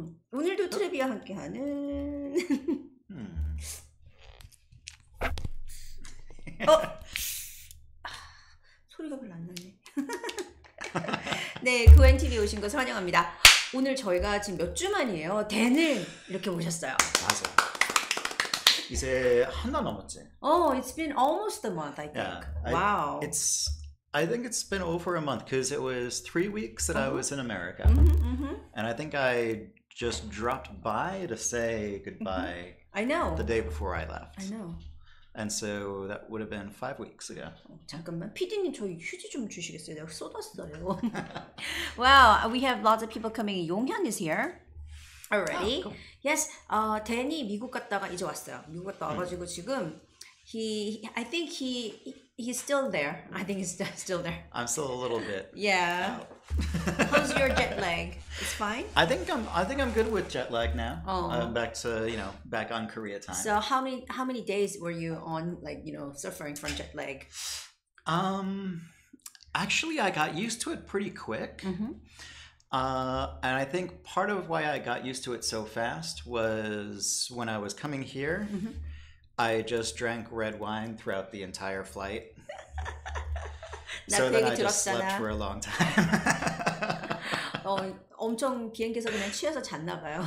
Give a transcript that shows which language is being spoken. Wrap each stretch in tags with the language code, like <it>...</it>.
<ko>오늘도 트레비와 함께하는 소리가 별로 안 나네. 네, 그웬 TV 오신 거 환영합니다. 오늘 저희가 지금 몇 주 만이에요? 댄을 이렇게 모셨어요. 맞아요. 이제 한달 넘었지.</ko> <en>Oh, it's been almost a month, I think. Yeah, wow. I think it's been over a month because it was 3 weeks that I was in America. And I think I just dropped by to say goodbye. I know. The day before I left. I know. And so that would have been 5 weeks ago.</en> <ko>잠깐만, PD님 저 휴지 좀 주시겠어요? 내가 쏟았어요.</ko> <en>Wow, we have lots of people coming. 용현 is here. Already. Oh, yes.</en> <ko>댄이 미국 갔다가 이제 왔어요. 미국 갔다 와가지고 지금</ko> <en>I think he's still there. I think he's still there. I'm still a little bit. Yeah. How's your jet lag? It's fine? I think I'm good with jet lag now. Oh. Back on Korea time. So how many days were you on suffering from jet lag? Actually, I got used to it pretty quick. Mm-hmm. And I think part of why I got used to it so fast was when I was coming here, I just drank red wine throughout the entire flight. So then I just slept for a long time.</en> <ko>엄청 비행기에서 그냥 취해서 잤나 봐요.</ko>